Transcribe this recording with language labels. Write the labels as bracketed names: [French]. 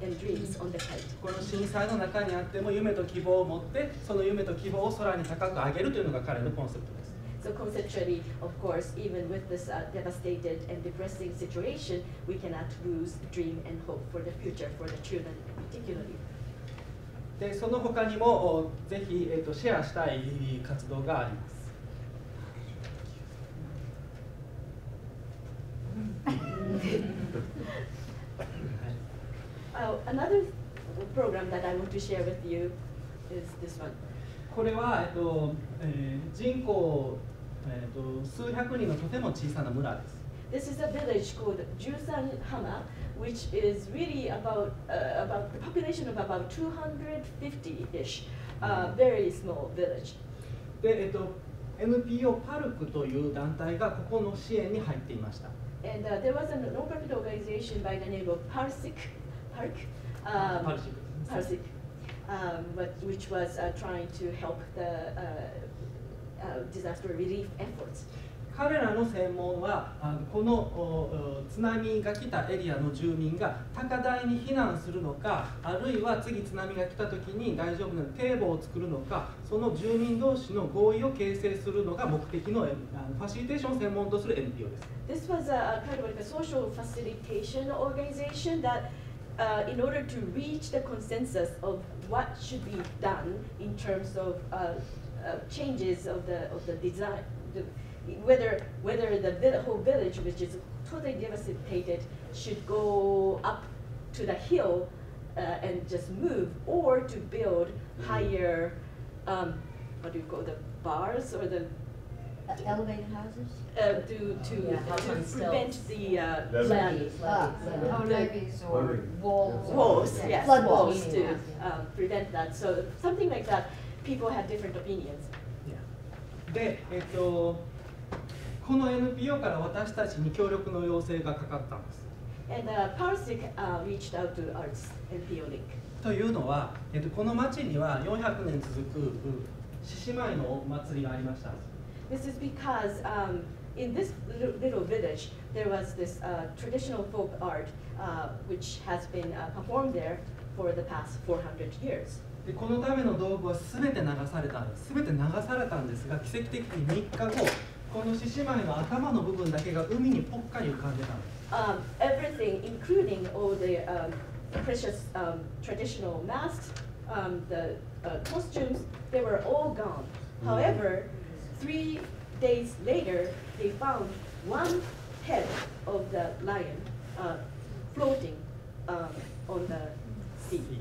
[Japanese] この震災の中にあっても夢と希望を持って、その夢と希望を空に高く上げるというのが彼のコンセプトです。 [English] So conceptually, of course, even with this devastated and depressing situation, we cannot lose dream and hope for the future for the children, particularly. [Japanese] で、その他にもぜひシェアしたい活動があります。 [English] Another program that I want to share with you is this one. [Japanese] これは人口数百人のとても小さな村です。 [English] This is a village called Jusanhama, which is really about the population of about 250-ish, a very small village. [Japanese] で、NPO パルクという団体がここの支援に入っていました。 [English] And there was a non-profit organization by the name of Parsik. Parsik, which was trying to help the disaster relief efforts. [Japanese] 彼らの専門はこの津波が来たエリアの住民が高台に避難するのか、あるいは次津波が来た時に大丈夫な堤防を作るのか、その住民同士の合意を形成するのが目的のファシリテーション専門とする NPO です。 [English] This was a kind of like a social facilitation organization that. In order to reach the consensus of what should be done in terms of changes of the design, whether the whole village, which is totally devastated, should go up to the hill and just move, or to build higher, what do you call the bars or the elevated houses to prevent the levees or walls, flood walls to prevent that. So something like that. People had different opinions. [Japanese] で、この NPO から私たちに協力の要請がかかったんです。 [English] And Parsik reached out to Arts NPO Link. [Japanese] というのは、この町には400年続く獅子舞の祭りがありました。 [English] This is because, in this little village, there was this, traditional folk art, which has been, performed there for the past 400 years. [Japanese] で、このための道具は全て流されたんですが、奇跡的に3日後、この獅子舞の頭の部分だけが海にぽっかり浮かんでたんです。 [English] Everything, including all the, precious, traditional masks, the, costumes, they were all gone. However, 3 days later, they found one head of the lion, floating, on the sea.